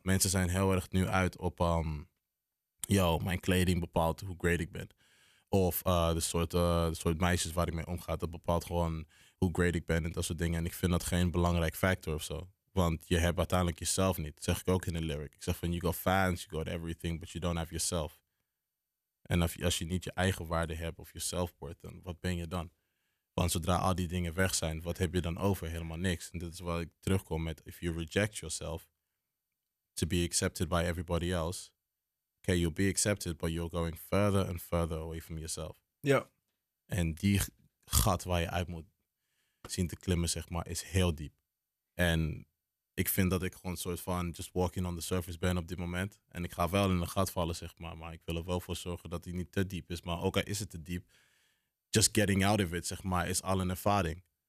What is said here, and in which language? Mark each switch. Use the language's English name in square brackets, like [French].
[Dutch] Mensen zijn heel erg nu uit op, mijn kleding bepaalt hoe great ik ben. Of de soort meisjes waar ik mee omga, dat bepaalt gewoon hoe great ik ben en dat soort dingen. En ik vind dat geen belangrijk factor of zo. Want je hebt uiteindelijk jezelf niet. Dat zeg ik ook in de lyric. Ik zeg van, [English] you got fans, you got everything, but you don't have yourself. [Dutch] En als je niet je eigen waarde hebt of jezelf wordt, dan wat ben je dan? Want zodra al die dingen weg zijn, wat heb je dan over? Helemaal niks. En dat is waar ik terugkom met, [English] if you reject yourself to be accepted by everybody else, okay, you'll be accepted, but you're going further and further away from yourself. [Dutch] Ja. En die gat waar je uit moet zien te klimmen, zeg maar, is heel diep. En ik vind dat ik gewoon een soort van [English] just walking on the surface [Dutch] ben op dit moment. En ik ga wel in een gat vallen, zeg maar. Maar ik wil er wel voor zorgen dat die niet te diep is. Maar ook al is het te diep, [English] just getting out of it, [Dutch] zeg maar, is al een ervaring.